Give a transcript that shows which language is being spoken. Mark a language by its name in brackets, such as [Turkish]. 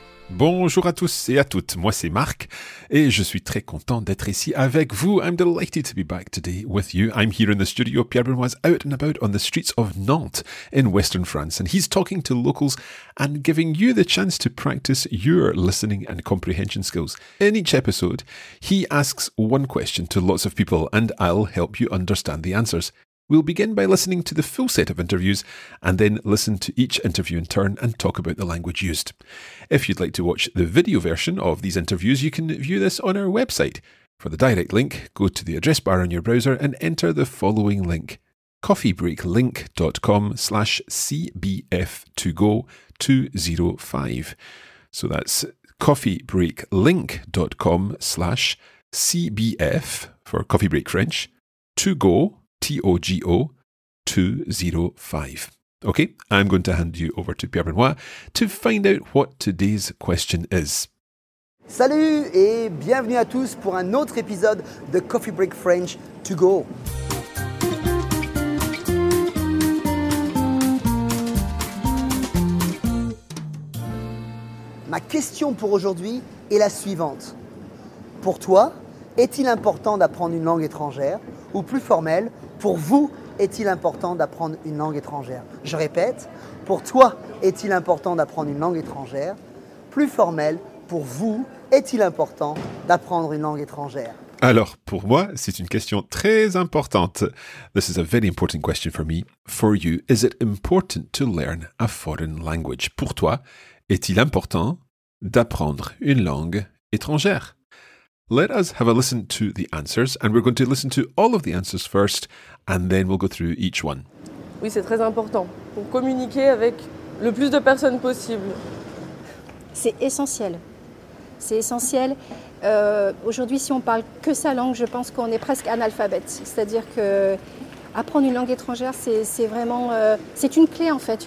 [French] Bonjour à tous et à toutes, moi c'est Marc, et je suis très content d'être ici avec vous. [English] I'm delighted to be back today with you. I'm here in the studio, Pierre Benoist, out and about on the streets of Nantes in western France, and he's talking to locals and giving you the chance to practice your listening and comprehension skills. In each episode, he asks one question to lots of people, and I'll help you understand the answers. We'll begin by listening to the full set of interviews and then listen to each interview in turn and talk about the language used. If you'd like to watch the video version of these interviews, you can view this on our website. For the direct link, go to the address bar on your browser and enter the following link, coffeebreaklink.com/CBF2Go205. So that's coffeebreaklink.com/CBF for Coffee Break French, 2Go, T-O-G-O 205. Okay, I'm going to hand you over to Pierre Benoist to find out what today's question is. [French] Salut et bienvenue à tous pour un autre épisode de Coffee Break French To Go. Ma question pour aujourd'hui est la suivante. Pour toi, est-il important d'apprendre une langue étrangère ou plus formelle? Pour vous, est-il important d'apprendre une langue étrangère? Je répète, pour toi, est-il important d'apprendre une langue étrangère? Plus formel, pour vous, est-il important d'apprendre une langue étrangère? Alors, pour moi, c'est une question très importante. [English] This is a very important question for me. For you, is it important to learn a foreign language? [French] Pour toi, est-il important d'apprendre une langue étrangère? [English] Let us have a listen to the answers, and we're going to listen to all of the answers first, and then we'll go through each one. [French] Oui, c'est très important. Pour communiquer avec le plus de personnes possible. C'est essentiel. C'est essentiel. Aujourd'hui, si on parle que sa langue, je pense qu'on est presque analphabète. C'est-à-dire que apprendre une langue étrangère, c'est vraiment... c'est une clé, en fait.